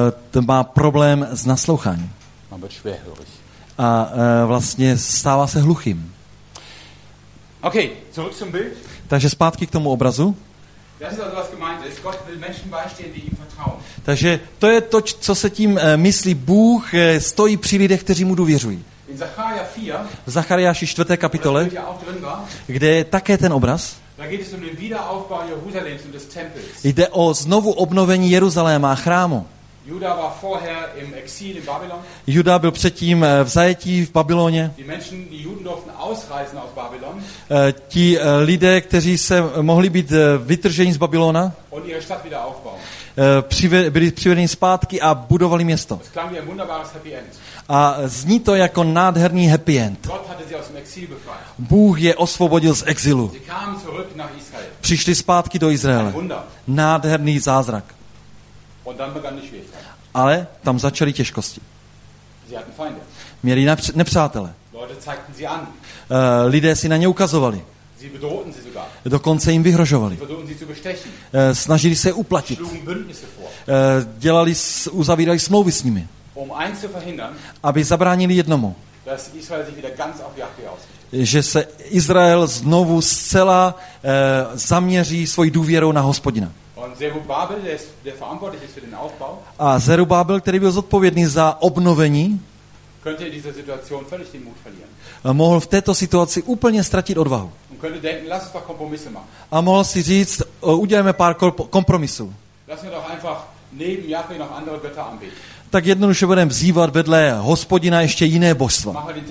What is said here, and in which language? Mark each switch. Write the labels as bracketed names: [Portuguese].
[Czech] To má problém s nasloucháním. [German] Man wird schwerhörig. [Czech] A vlastně stává se hluchým. [German] Okay, zurück zum Bild. [Czech] Takže zpátky k tomu obrazu. [German] Das ist also, was gemeint ist. Gott will Menschen beistehen, die ihm vertrauen. [Czech] Takže to je to, co se tím myslí. Bůh stojí při lidech, kteří mu důvěřují. [German] In Zacharia 4, [Czech] v Zachariáši 4. kapitole, kde je také ten obraz, [German] da geht es um den Wiederaufbau Jerusalems und des Tempels. [Czech] Jde o znovu obnovení Jeruzaléma a chrámu. [German] Juda war vorher im Exil in Babylon. [Czech] Juda byl předtím v zajetí v Babyloně. [German] Die Menschen, die Juden durften ausreisen aus Babylon. [Czech] Ti lidé, kteří se mohli být vytrženi z Babylona, [German] und ihre Stadt wieder aufbauen. [Czech] Byli přivedeni zpátky a budovali město. [German] Es klang wie ein wunderbares happy end. [Czech] A zní to jako nádherný happy end. [German] Gott hatte sie aus dem Exil befreit. [Czech] Bůh je osvobodil z exilu. [German] Sie kamen zurück nach Israel. [Czech] Přišli zpátky do Izraele. [German] Ein Wunder. [Czech] Nádherný zázrak. [German] Und dann begann die Schwierigkeit. [Czech] Ale tam začaly těžkosti. [German] Sie hatten Feinde. [Czech] Měli nepřátele. [German] Leute zeigten sie an. [Czech] Lidé si na ně ukazovali. [German] Sie bedrohten sie sogar. [Czech] Dokonce jim vyhrožovali. [German] Sie versuchten sie zu bestechen. [Czech] Snažili se je uplatit. [German] Schlugen Bündnisse vor. [Czech] Uzavírali smlouvy s nimi. [German] Um eins zu verhindern, [Czech] aby zabránili jednomu. [German] Dass Israel sich wieder ganz auf Jahwe ausrichtet. [Czech] Že se Izrael znovu zcela zaměří svoji důvěrou na Hospodina. [German] Zerubbabel, der verantwortlich ist für den Aufbau, [Czech] a Zerubbabel, který byl zodpovědný za obnovení, [German] könnte in dieser Situation völlig den Mut verlieren. [Czech] Mohl v této situaci úplně ztratit odvahu. [German] Und könnte denken, lass uns doch Kompromisse machen. [Czech] A mohl si říct, udělejme pár kompromisů. [German] Lass mir doch einfach neben Jahwe noch andere Götter anbeten. [Czech] Tak jednoduše budeme vzývat vedle Hospodina ještě jiné božstva.